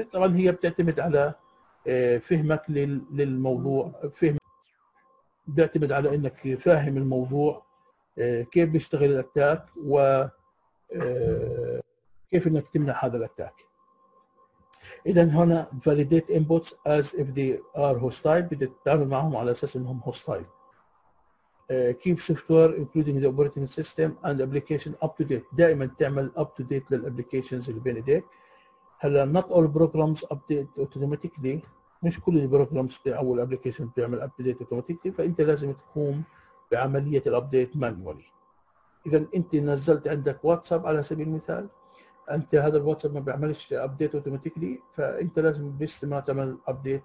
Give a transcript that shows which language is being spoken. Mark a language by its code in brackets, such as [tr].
[ar] طبعا هي بتعتمد على فهمك للموضوع، بتعتمد على إنك فاهم الموضوع كيف بيشتغل الأتاك وكيف إنك تمنع هذا الأتاك. إذن هنا [en] validate inputs as if they are hostile، [ar] بدك تتعامل معهم على أساس إنهم hostile. [en] Keep software including the operating system and application up to date، [ar] دائما تعمل [en] up to date [ar] للابليكيشنز اللي بين ايديك. هلا [en] not all programs update automatically، [ar] مش كل البروجرامز او الابليكيشن بتعمل [en] update automatically، [ar] فانت لازم تقوم بعمليه الابديت مانوالي. اذا انت نزلت عندك واتساب على سبيل المثال، انت هذا الواتساب ما بيعملش [en] update automatically، [ar] فانت لازم باستمرار تعمل update.